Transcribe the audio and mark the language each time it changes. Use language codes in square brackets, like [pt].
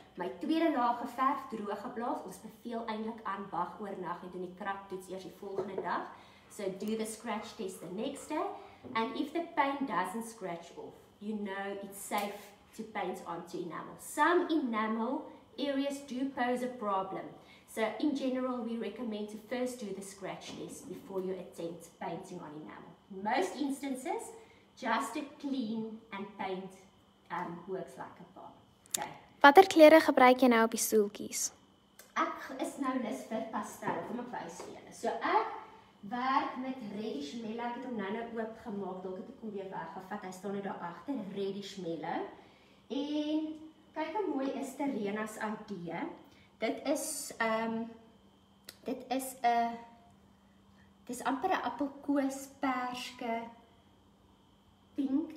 [af] My tweede laag geverf, droog geblaas. Ons beveel eintlik aan wag oornag en doen die krap toets eers die volgende dag. [en] So do the scratch test the next day, and if the paint doesn't scratch off, you know it's safe to paint onto enamel. Some enamel areas do pose a problem. So in general, we recommend to first do the scratch test before you attempt painting on enamel. Most instances, just a clean and paint works like a bomb. Okay. [af] Watter kleure gebruik jy nou op die stoeltjies? Ek is nou lus vir pastel, kom ek wys vir julle. So ek werk met reddish mellow. Ek het hom nou oop gemaak, dalk het ek hom weer weggevat. Hy staan net daar agter, reddish mellow. En kyk hoe mooi is Terena's idee. Dit is amper 'n appelkoos perske pink.